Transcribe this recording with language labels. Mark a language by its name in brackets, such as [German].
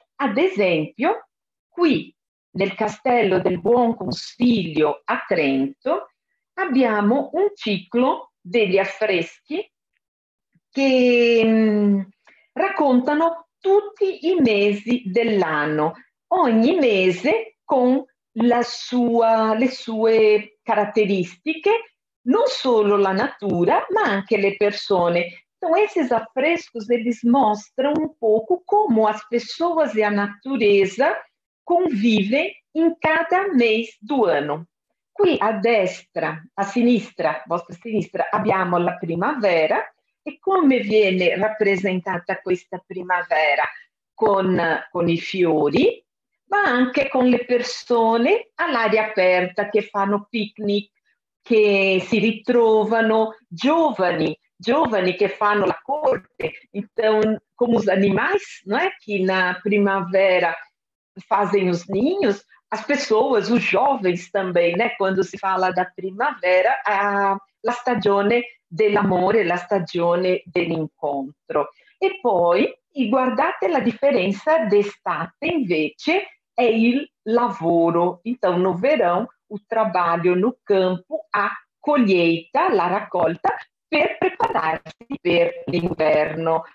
[Italian] Ad esempio, qui nel Castello del Buon Consiglio a Trento abbiamo un ciclo degli affreschi che raccontano tutti i mesi dell'anno, ogni mese con le sue caratteristiche, non solo la natura, ma anche le persone. [Portuguese] Então, esses afrescos, eles mostram um pouco como as pessoas e a natureza convivem em cada mês do ano. [Italian] Qui a destra, a sinistra, vostra sinistra, abbiamo la primavera. E come viene rappresentata questa primavera? Con i fiori, ma anche con le persone all'aria aperta che fanno picnic, che si ritrovano giovani, giovani che fanno la corte, [Portuguese] então, come os animais, não é? Que na primavera fazem os ninhos, as pessoas, os jovens também, né? [Italian] Quando si fala da primavera, la stagione dell'amore, la stagione dell'incontro. E poi, guardate la differenza d'estate, invece, è il lavoro. [Portuguese] Então, no verão, o trabalho no campo, a colheita, [Italian] la raccolta, per prepararsi per l'inverno.